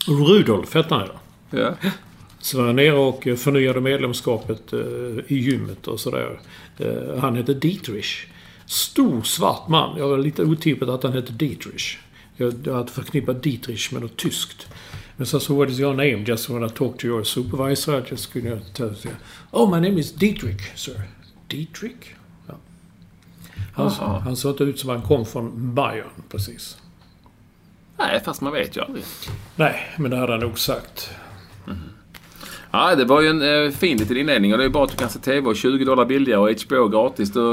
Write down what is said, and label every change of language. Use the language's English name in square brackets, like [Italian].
[Swedish] Rudolf, heter han, ja. Ja. Så var jag ner och förnyade medlemskapet i gymmet och sådär. Han heter Dietrich. Stor svart man. Jag var lite otippat att han heter Dietrich. Jag hade förknippat Dietrich med något tyskt. Men så [English] what is your name? Just when I talk to your supervisor, I just couldn't tell you. Oh, my name is Dietrich, sir. Dietrich? Ja. [Swedish] Han såg inte ut som han kom från Bayern, precis. Nej, fast man vet ju aldrig. Nej, men det hade han nog sagt. Mm. Ja, det var ju en fin liten inledning. Och det är ju bara att du kan se TV och $20 billigare och HBO gratis.